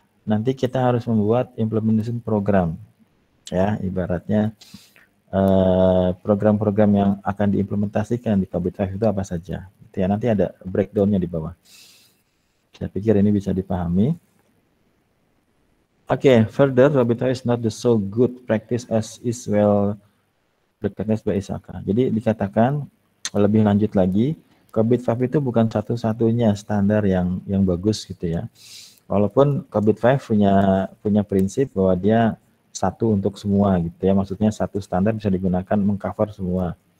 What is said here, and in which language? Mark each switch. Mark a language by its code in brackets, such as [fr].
[id] nanti kita harus membuat implementation program, ya, ibaratnya program-program yang akan diimplementasikan di COVID-5 itu apa saja. Ya, nanti ada breakdown-nya di bawah. Saya pikir ini bisa dipahami. [en] Okay, further, COVID-5 is not the so good practice as is well recognized by ISACA. [id] Jadi dikatakan lebih lanjut lagi, COVID-5 itu bukan satu-satunya standar yang bagus gitu ya. Walaupun COVID-5 punya prinsip bahwa dia satu untuk semua gitu ya, maksudnya satu standar bisa digunakan mengcover semua.